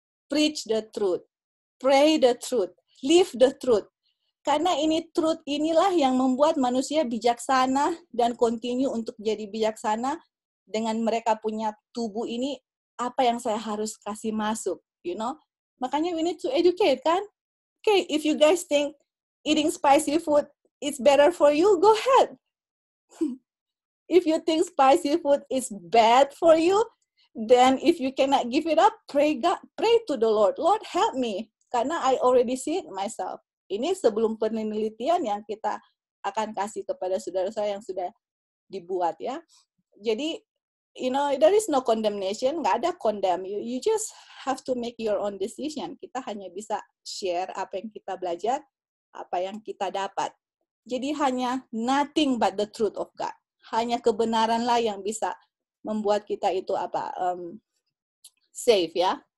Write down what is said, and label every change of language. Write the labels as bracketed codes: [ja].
[en] Preach the truth, pray the truth, live the truth. [id] Karena ini truth inilah yang membuat manusia bijaksana dan continue untuk jadi bijaksana dengan mereka punya tubuh ini, apa yang saya harus kasih masuk, [en] you know? Makanya we need to educate, kan? Okay, if you guys think eating spicy food is better for you, go ahead. If you think spicy food is bad for you, then if you cannot give it up, pray to the Lord. Lord, help me. [id] Karena [en] I already see it myself. [id] Ini sebelum penelitian yang kita akan kasih kepada saudara-saudara yang sudah dibuat, ya. [en] Jadi, you know, there is no condemnation. [id] Nggak ada condemn. [en] You just have to make your own decision. [id] Kita hanya bisa share apa yang kita belajar, apa yang kita dapat. Jadi, hanya [en] nothing but the truth of God. [id] Hanya kebenaranlah yang bisa membuat kita itu apa safe, ya.